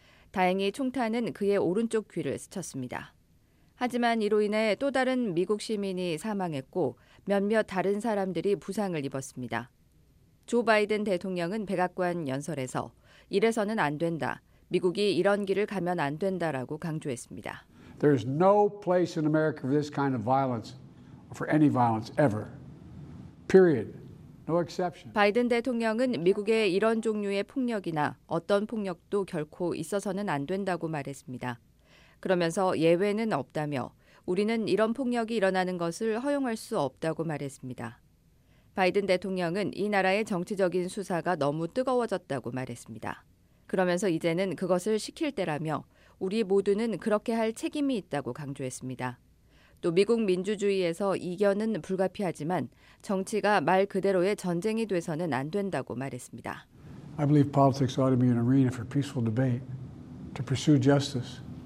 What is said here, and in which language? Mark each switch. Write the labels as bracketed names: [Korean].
[Korean] 다행히 총탄은 그의 오른쪽 귀를 스쳤습니다. 하지만 이로 인해 또 다른 미국 시민이 사망했고 몇몇 다른 사람들이 부상을 입었습니다. 조 바이든 대통령은 백악관 연설에서 이래서는 안 된다. 미국이 이런 길을 가면 안 된다라고 강조했습니다. [English] There's no place in America for this kind of violence or for any violence ever. Period. No exception. [Korean] 바이든 대통령은 미국에 이런 종류의 폭력이나 어떤 폭력도 결코 있어서는 안 된다고 말했습니다. 그러면서 예외는 없다며 우리는 이런 폭력이 일어나는 것을 허용할 수 없다고 말했습니다. 바이든 대통령은 이 나라의 정치적인 수사가 너무 뜨거워졌다고 말했습니다. 그러면서 이제는 그것을 시킬 때라며 우리 모두는 그렇게 할 책임이 있다고 강조했습니다. 또 미국 민주주의에서 이견은 불가피하지만 정치가 말 그대로의 전쟁이 돼서는 안 된다고 말했습니다. [English] I believe politics ought to be an arena for peaceful debate, to pursue justice.